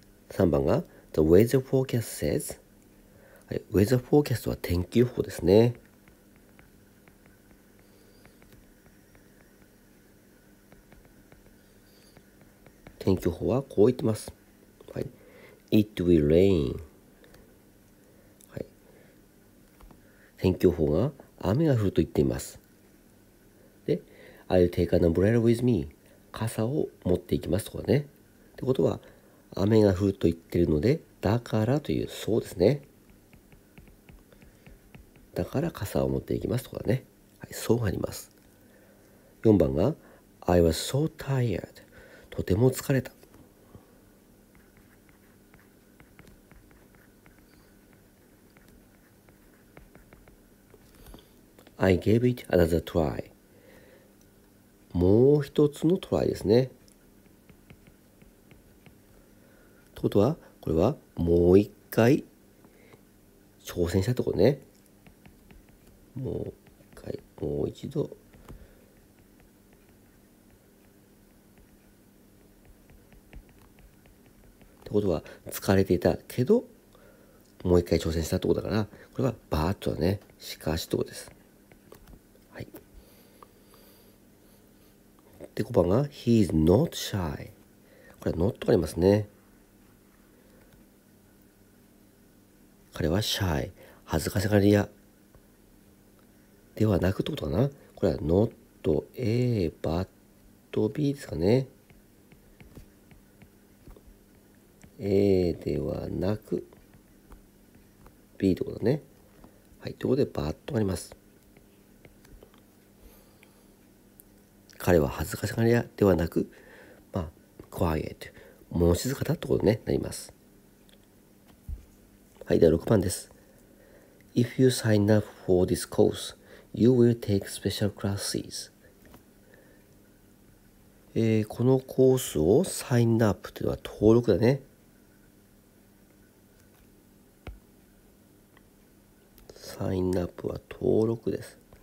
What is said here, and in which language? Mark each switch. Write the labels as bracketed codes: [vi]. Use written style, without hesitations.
[ja] 3番が [en] The weather forecast says、 [ja] はい、Weather forecast は天気予報ですね。天気予報はこう言ってます。 [en] はい、It will rain、はい。 [ja] 天気予報が雨が降ると言っています。 [en] で、I'll take an umbrella with me。 [ja] 傘を持っていきますとかね。ってことは、雨が降ると言っているので、だからという、そうですね。だから傘を持っていきますとかね。はい、そうあります。 [en] 4番が、I was so tired。 [ja] とても疲れた。 [en] I gave it another try. [ja] もう一つのトライですね。ということは、これはもう一回挑戦したところね。もう一回、もう一度。ってことは疲れていたけどもう一回挑戦したってことだから、これはバーッとはね、しかしってことです。はい。 [en] で、5番が He is not shy。 [ja] これは not とありますね。彼は shy、 恥ずかしがり屋ではなくってことかな。これは not A but B ですかね。 A ではなく B ってことだね。はい、ということでバッとあります。彼は恥ずかしがり屋ではなく、まあ quiet、 物静かだってことになります。 [en] はい、 [ja] では6番です。 [en] If you sign up for this course You will take special classes、 [ja] このコースをサインアップというのは登録だね。サインアップは登録です。